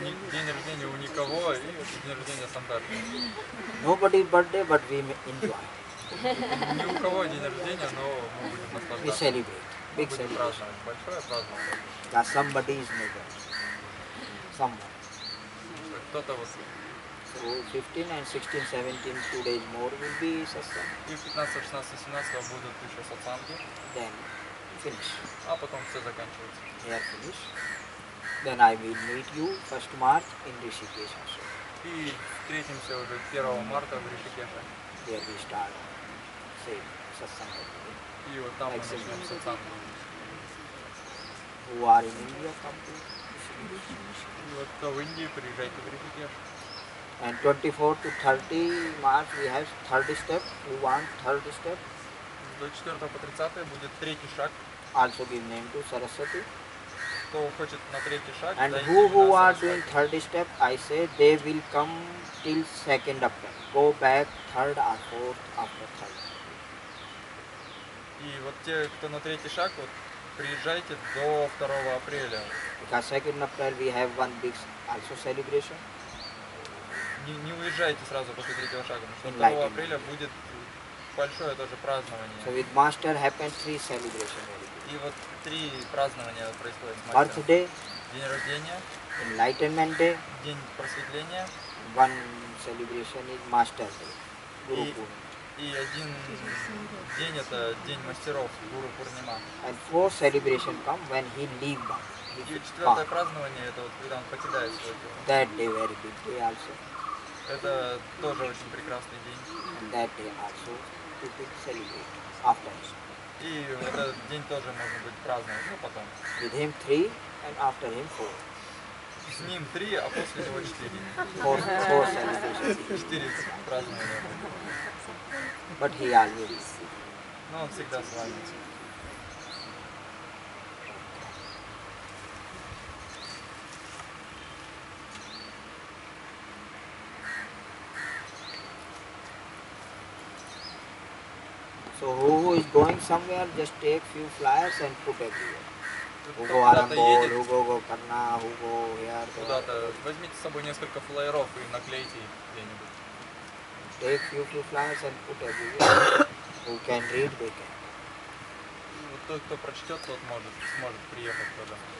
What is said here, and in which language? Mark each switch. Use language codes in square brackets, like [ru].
[ru] День рождения у никого, и день рождения Сандарши. [en] Nobody birthday, but we enjoy. [ru] Ни у кого день рождения, но мы будем наслаждаться. [en] We celebrate. Big celebration. [ru] Большое празднование. [en] Да, somebody is neighbor. Somebody. [ru] Кто-то вот. [en] So 15 and 16, 17, 2 days more will be satsang. [ru] И 15, 16, 17 будут еще сатсанги. [en] Then finish. [ru] А потом все заканчивается. [en] Here finish. Then I will meet you 1st March in Rishikesh. [ru] И встретимся уже 1 марта в Ришикеше. [en] Here we start. Same satsang. [ru] И вот там like мы начнем сатсанг. [en] Who are in India, come to Rishikesh. [ru] И вот кто в Индии, приезжайте в Ришикеш. [en] And 24 to 30 March we have third step. Who wants third step? [ru] До 4 по 30 будет третий шаг. [en] Also give name to Saraswati. [ru] Кто хочет на третий шаг? [en] And who are doing third step? I say they will come till second after. Go back third or fourth after third. [ru] И вот те, кто на третий шаг, вот приезжайте до 2 апреля. [en] Because second after we have one big also celebration. [ru] Не уезжайте сразу после третьего шага, потому что 2 апреля будет большое тоже празднование. [en] So with master happens three celebration. [ru] И вот три празднования происходят. [en] Birthday. [ru] День рождения. [en] Enlightenment day. [ru] День просветления. [en] One celebration is master day. Guru Purnima. [ru] И один день это день мастеров, Guru Purnima. [en] And four celebration come when he leave back. [ru] И четвертое празднование это вот когда он покидает свой [en] дом. That day very big day also. [ru] Это тоже очень прекрасный день. [en] That day also to be celebrated after. [ru] И этот день тоже может быть праздновать, но потом. [en] With him three and after him four. [ru] С ним три, а после него четыре. [en] Four celebrations. [ru] Четыре празднования. [en] But he always. [ru] Но он всегда с вами. [en] So who is going somewhere, just take few flyers and put everywhere. Who go Arambol, who go Karna, who go here. [ru] Куда-то возьмите с собой несколько флайеров и наклейте их где-нибудь. [en] Take few flyers and put everywhere. Who can read, they can. [ru] Вот тот, кто прочтет, тот может, сможет приехать туда.